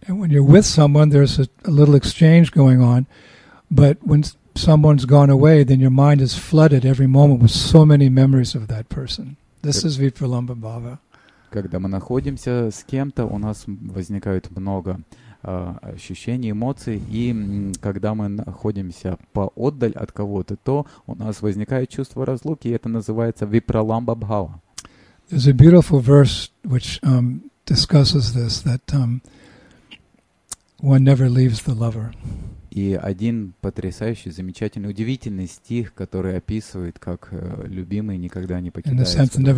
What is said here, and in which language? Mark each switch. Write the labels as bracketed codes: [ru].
[en] And when you're with someone, there's a little exchange going on, but when someone's gone away, then your mind is flooded every moment with so many memories of that person. This is Vipralamba Bhava. [ru] Когда мы находимся с кем-то, у нас возникает много ощущений, эмоций, и когда мы находимся поотдаль от кого-то, то у нас возникает чувство разлуки, и это называется випраламба бхава. [en] There's a beautiful verse which discusses this, that one never leaves the lover. [ru] И один потрясающий, замечательный, удивительный стих, который описывает, как любимый никогда не покидается.